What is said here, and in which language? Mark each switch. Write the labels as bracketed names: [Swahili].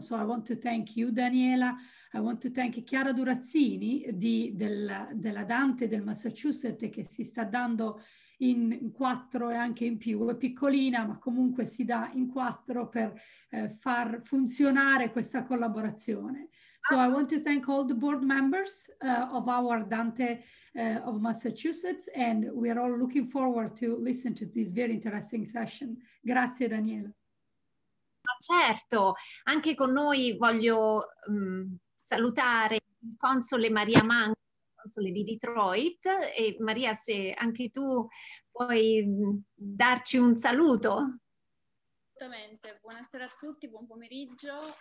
[English] So I want to thank [Italian] you, Daniela. I want to thank Chiara Durazzini della Dante del Massachusetts, che si sta dando in quattro e anche in più. È piccolina, ma comunque si dà in quattro per far funzionare questa collaborazione. [English] So I want to thank all the board members of our Dante of Massachusetts, and we are all looking forward to listen to this very interesting session. [Italian] Grazie, Daniela. Ma certo, anche con noi voglio salutare il console Maria Manco, console di Detroit. E Maria, se anche tu puoi darci un saluto. Assolutamente, buonasera a tutti, buon pomeriggio.